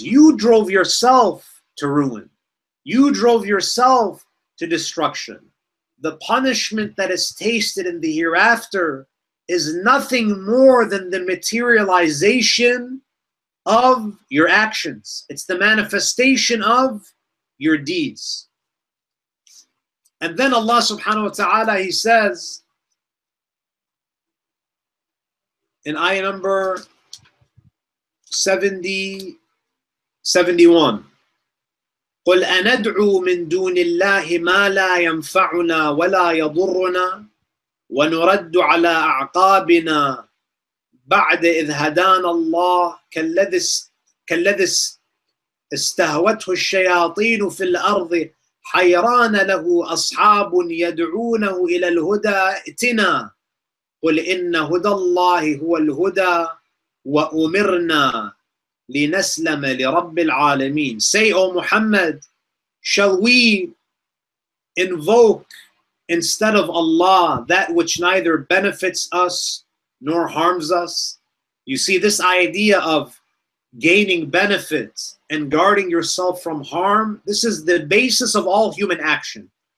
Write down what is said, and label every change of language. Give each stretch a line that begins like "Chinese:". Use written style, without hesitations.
English: You drove yourself to ruin. You drove yourself to destruction. The punishment that is tasted in the hereafter is nothing more than the materialization of your actions. It's the manifestation of your deeds. And then Allah subhanahu wa ta'ala, He says in ayah number 71,
Arabic: قُلْ أَنَدْعُوا مِن دُونِ اللَّهِ مَا لَا يَنْفَعُنَا وَلَا يَضُرُّنَا وَنُرَدُّ عَلَىٰ أَعْقَابِنَا بَعْدَ إِذْ هَدَانَ اللَّهِ كَالَّذِي اسْتَهْوَتْهُ الشَّيَاطِينُ فِي الْأَرْضِ حَيْرَانَ لَهُ أَصْحَابٌ يَدْعُونَهُ إِلَى الْهُدَىٰ اِتِنَا قُلْ إِنَّ هُدَى اللَّهِ هُوَ الْهُدَىٰ وَأُمِرْنَا لِنَسْلَمَ لِرَبِّ الْعَالَمِينَ.
English: Say, O Muhammad, shall we invoke instead of Allah that which neither benefits us nor harms us? You see, this idea of gaining benefit and guarding yourself from harm, this is the basis of all human action.